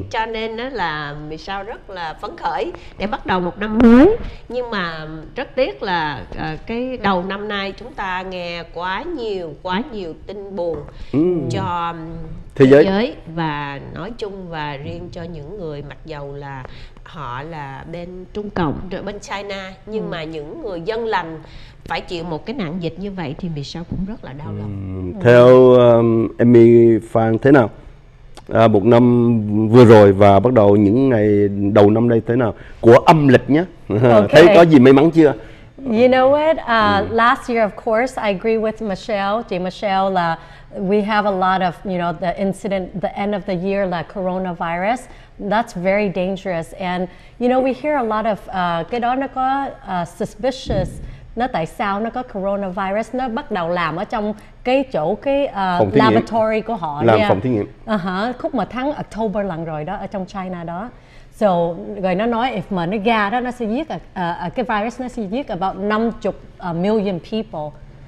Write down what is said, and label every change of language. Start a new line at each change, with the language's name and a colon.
Vietnamese: Cho nên là mình sao rất là phấn khởi để bắt đầu một năm mới, nhưng mà rất tiếc là cái đầu năm nay chúng ta nghe quá nhiều tin buồn cho thế giới và nói chung và riêng cho những người, mặc dầu là họ là bên Trung Cộng rồi bên China, nhưng mà những người dân lành phải chịu một cái nạn dịch như vậy thì vì sao cũng rất là đau lòng. Theo Amy Phan thế nào? Một năm vừa rồi và bắt đầu những ngày đầu năm đây thế nào? Của âm lịch nhé.
English: Okay.
Vietnamese: Thấy có gì may mắn chưa?
English: You know what? Last year, of course, I agree with Michelle.
Vietnamese: Chị Michelle là
English: we have a lot of, you know, the incident, the end of the year, like coronavirus. That's very dangerous. And, you know, we hear a lot of
Vietnamese: cái đó nó có
English: suspicious.
Vietnamese: Nó tại sao nó có coronavirus, nó bắt đầu làm ở trong cái chỗ cái laboratory của họ. Làm phòng thí nghiệm. Khúc mà tháng October lần rồi đó, ở trong China đó. So, rồi nó nói if mà nó ra đó, nó sẽ giết, cái virus nó sẽ giết
English: about 50 million people.